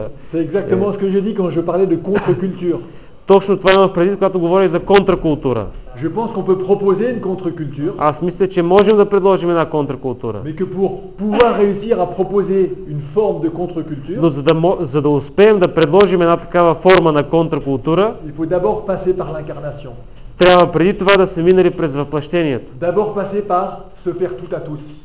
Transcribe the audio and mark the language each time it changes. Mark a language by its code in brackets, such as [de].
[fr] C'est exactement ce que j'ai dit quand je parlais de contre-culture. [bg] Точно това имам предвид, когато говоря за контркултура. [fr] Je pense qu'on peut proposer une contre-culture. [bg] Аз мисля, че можем да предложим една контркултура. [fr] Mais que pour pouvoir réussir à proposer une forme de contre-culture. [bg] Но за да успеем да предложим една такава форма на контркултура, [fr] il faut d'abord passer par l'incarnation. [bg] Трябва преди това да сме минали през въплъщението. [fr] D'abord passer par se faire tout à tous.